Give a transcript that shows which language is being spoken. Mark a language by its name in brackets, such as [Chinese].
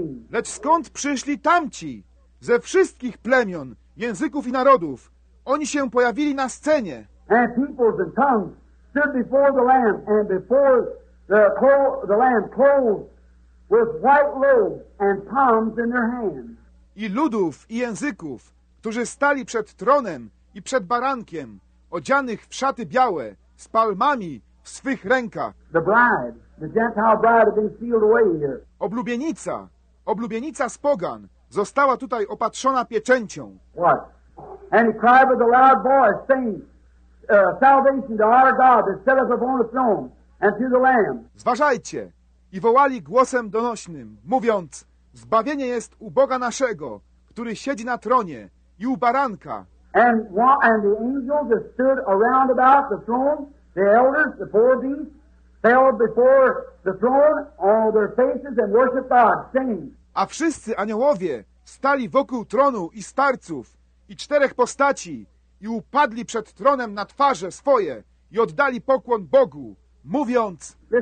[Polish] Lecz skąd przyszli tamci? Ze wszystkich plemion, języków i narodów. Oni się pojawili na scenie. [English] And peoples and tongues stood before the Lamb, and before the Lamb clothed with white robes and palms in their hands. [Polish] I ludów, i języków, którzy stali przed tronem i przed barankiem, odzianych w szaty białe, z palmami w swych rękach. [English] The bride, the Gentile bride, had been sealed away here. [Polish] Oblubienica, oblubienica z pogan, została tutaj opatrzona pieczęcią. [English] What? And he cried with a loud voice, saying, salvation to our God that set us upon the throne and to the Lamb. [Polish] Zważajcie. I wołali głosem donośnym, mówiąc, zbawienie jest u Boga naszego, który siedzi na tronie i u baranka. [English] And the angels that stood around about the throne, the elders, the four beasts, fell before the throne on their faces and worshiped God, saying. [Polish] A wszyscy aniołowie stali wokół tronu i starców, i czterech postaci, i upadli przed tronem na twarze swoje i oddali pokłon Bogu, mówiąc...